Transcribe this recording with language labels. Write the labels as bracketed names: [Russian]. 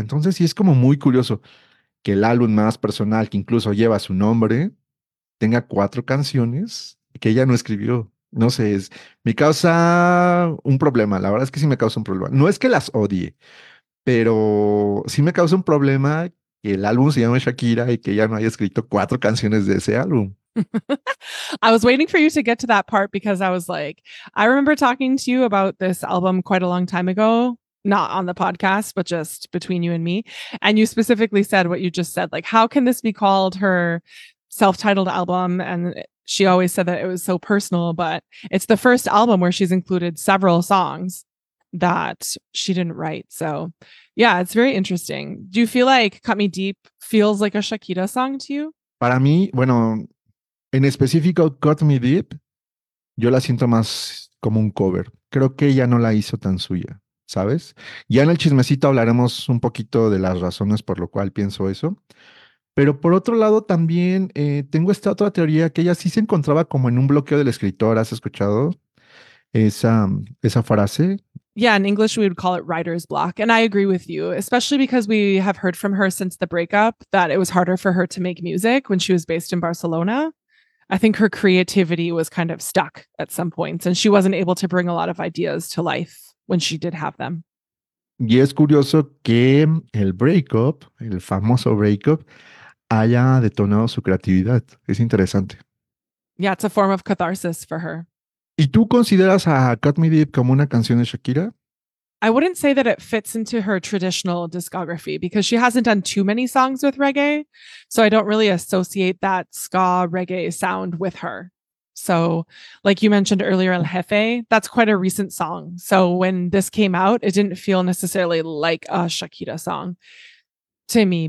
[Spanish] Entonces sí es como muy curioso que el álbum más personal, que incluso lleva su nombre, tenga 4 canciones que ella no escribió. No sé, me causa un problema. La verdad es que sí me causa un problema. No es que las odie, pero sí me causa un problema que el álbum se llame Shakira y que ella no haya escrito 4 canciones de ese álbum. [English] I was waiting for you to get to that part because I was like, I remember talking to you about this album quite a long time ago, not on the podcast, but just between you and me. And you specifically said what you just said, like, how can this be called her self-titled album? And she always said that it was so personal, but it's the first album where she's included several songs that she didn't write. So yeah, it's very interesting. Do you feel like Cut Me Deep feels like a Shakira song to you? [Spanish] Para mí, bueno, en específico Cut Me Deep, yo la siento más como un cover. Creo que ella no la hizo tan suya, ¿sabes? Ya en el chismecito hablaremos un poquito de las razones por lo cual pienso eso. Pero por otro lado también tengo esta otra teoría que ella sí se encontraba como en un bloqueo del escritor. ¿Has escuchado esa frase? [English] Yeah, in English we would call it writer's block. And I agree with you, especially because we have heard from her since the breakup that it was harder for her to make music when she was based in Barcelona. I think her creativity was kind of stuck at some points and she wasn't able to bring a lot of ideas to life when she did have them. [Spanish] Y es curioso que el breakup, el famoso breakup, haya detonado su creatividad. Es interesante. [English] Yeah, it's a form of catharsis for her. [Spanish] ¿Y tú consideras a Cut Me Deep como una canción de Shakira? [English] I wouldn't say that it fits into her traditional discography because she hasn't done too many songs with reggae. So I don't really associate that ska reggae sound with her. So like you mentioned earlier, El Jefe, that's quite a recent song. So when this came out, it didn't feel necessarily like a Shakira song to me.